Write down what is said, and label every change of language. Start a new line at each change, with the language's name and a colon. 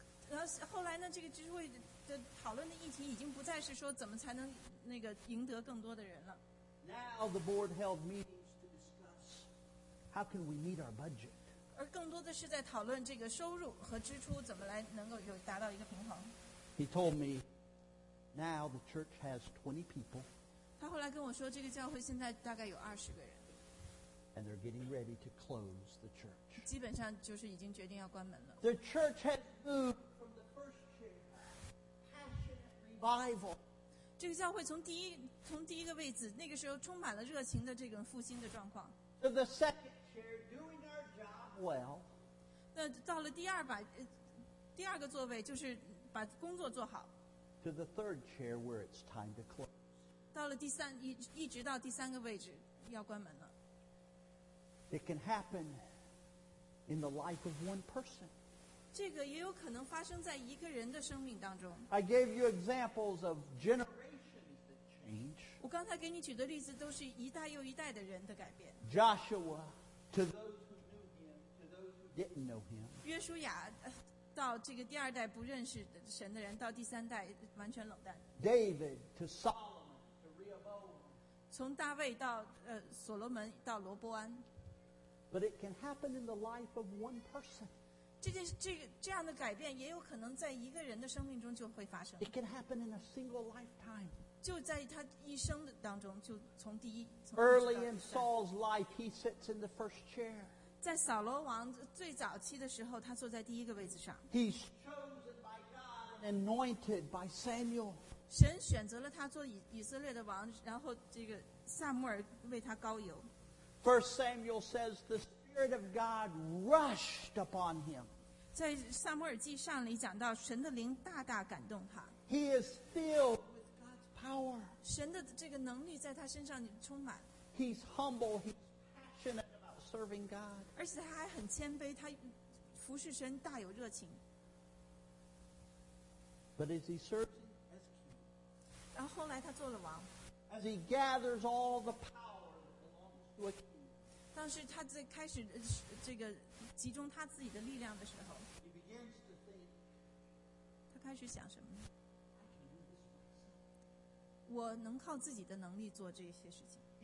Chinese: 然后后来呢，这个聚会的讨论的议题已经不再是说怎么才能那个赢得更多的人了。
English: Now the board held meetings to discuss how can we meet our budget.
Chinese: 而更多的是在讨论这个收入和支出怎么来能够有达到一个平衡。
English: He told me, now the church has 20 people.
Chinese: 他后来跟我说，这个教会现在大概有二十个人。
English: And they're getting ready to close the church.
Chinese: 基本上就是已经决定要关门了。
English: The church has moved from the first chair, passionate revival,
Chinese: 这个教会从第一个位置，那个时候充满了热情的这种复兴的状况。
English: So the second chair doing our job well.
Chinese: 那到了第二个座位，就是把工作做好。
English: To the third chair where it's time to close.
Chinese: 到了第三一直到第三个位置要关门了。
English: It can happen in the life of one person.
Chinese: 这个也有可能发生在一个人的生命当中。
English: I gave you examples of generations that change.
Chinese: 我刚才给你举的例子都是一代又一代的人的改变。
English: Joshua to those who knew him, to those who didn't know him.
Chinese: 约书亚到这个第二代不认识神的人，到第三代完全冷淡。
English: David to Solomon to Rehoboam.
Chinese: 从大卫到所罗门到罗波安。
English: But it can happen in the life of one person.
Chinese: 这样的改变也有可能在一个人的生命中就会发生。
English: It can happen in a single lifetime.
Chinese: 就在他一生的当中，就从第一。
English: Early in Saul's life, he sits in the first chair.
Chinese: 在扫罗王最早期的时候，他坐在第一个位置上。
English: He's chosen by God and anointed by Samuel.
Chinese: 神选择了他做以色列的王，然后这个撒母耳为他膏油。
English: First Samuel says this. The Spirit of God rushed upon him.
Chinese: 在撒母耳记上里讲到，神的灵大大感动他。
English: He is filled with God's power.
Chinese: 神的这个能力在他身上充满。
English: He's humble. He's passionate about serving God.
Chinese: 而且他还很谦卑，他服侍神大有热情。
English: But as he serves as king,
Chinese: 然后后来他做了王。
English: As he gathers all the power that belongs to a king.
Chinese: 当时他在开始这个集中他自己的力量的时候，他开始想什么呢？我能靠自己的能力做这些事情。